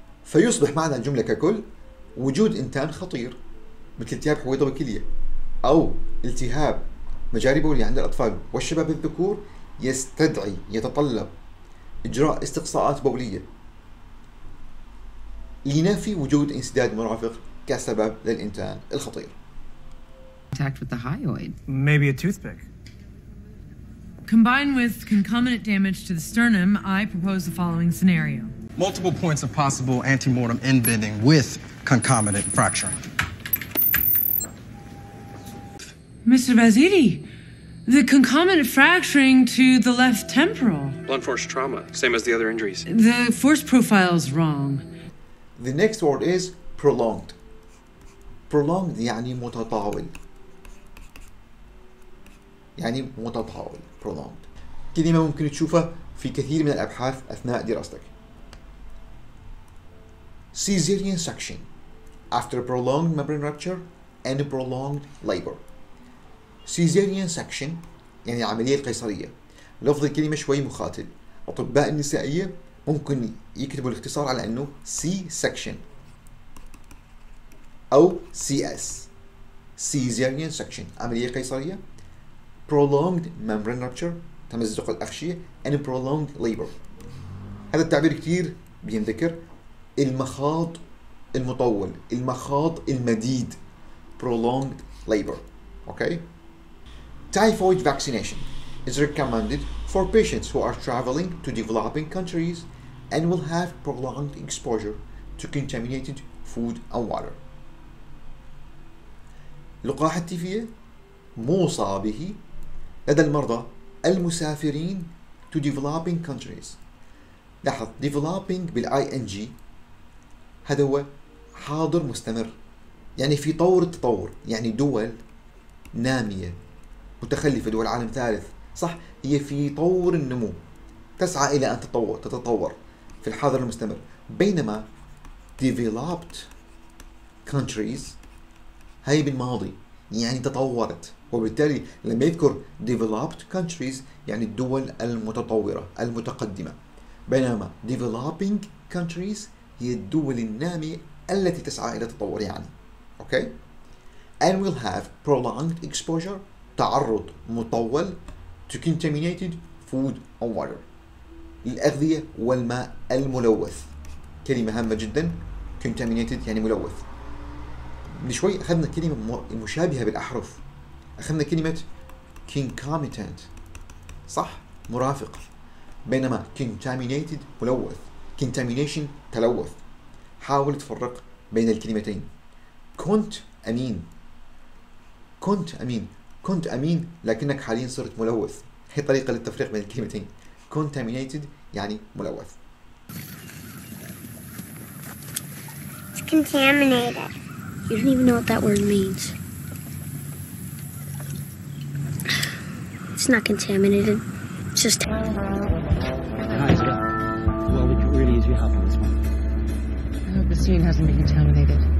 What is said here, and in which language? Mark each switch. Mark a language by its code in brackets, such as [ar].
[ar] فيصبح معنى الجملة ككل وجود إنتان خطير مثل التهاب حويضة وكلية أو التهاب مجاري بولي عند الأطفال والشباب الذكور يستدعي يتطلب إجراء استقصاءات بولية لنفي وجود انسداد مرافق كسبب للإنتان الخطير. [en] Contact with the hyoid. Maybe a toothpick. Combined with concomitant damage to the sternum, I propose the following scenario. Multiple points of possible antemortem end bending with concomitant fracturing. Mr. Bazidi, the concomitant fracturing to the left temporal. Blunt force trauma, same as the other injuries. The force profile is wrong. The next word is prolonged. [ar] Prolonged يعني متطاول. يعني متطاول. Prolonged. كلمة ممكن تشوفها في كثير من الأبحاث أثناء دراستك. [en] Caesarean section after prolonged membrane rupture and prolonged labor. [ar] Caesarean section يعني العملية القيصرية. لفظ الكلمة شوي مخاطب. أطباء النسائية ممكن يكتبوا الاختصار على أنه C-section أو CS [en] Caesarean section [ar] عملية قيصرية [en] prolonged membrane rupture [ar] تمزق الأغشية [en] and prolonged labor. [ar] هذا التعبير كتير بينذكر، المخاض المطول، المخاض المديد، [en] prolonged labor. Okay. Typhoid vaccination is recommended for patients who are traveling to developing countries and will have prolonged exposure to contaminated food and water. [ar] لقاح التيفية موصى به لدى المرضى المسافرين [en] to developing countries. [ar] لاحظ developing بالING هذا هو حاضر مستمر، يعني في طور التطور، يعني دول نامية متخلفة، دول عالم ثالث، صح؟ هي في طور النمو، تسعى إلى أن تتطور في الحاضر المستمر. بينما [en] developed countries [ar] هي بالماضي، يعني تطورت، وبالتالي لما يذكر developed countries يعني الدول المتطورة المتقدمة، بينما [en] developing countries [ar] هي الدول النامية التي تسعى إلى التطور يعني. [en] Okay. And will have prolonged exposure [ar] تعرض مطول [en] to contaminated food or water [ar] الأغذية والماء الملوث. كلمة هامة جدا، contaminated يعني ملوث. بشوي أخذنا كلمة مشابهة بالأحرف، أخذنا كلمة concomitant، صح؟ مرافق. بينما contaminated ملوث، contamination تلوث. حاول تفرق بين الكلمتين. كنت أمين لكنك حاليا صرت ملوث. هي طريقة للتفريق بين الكلمتين، contaminated يعني ملوث. [en] It's contaminated. You don't even know what that word means. It's not contaminated. It's just. Hi, Scott. Well, we could really use your help on this one. I hope the scene hasn't been contaminated.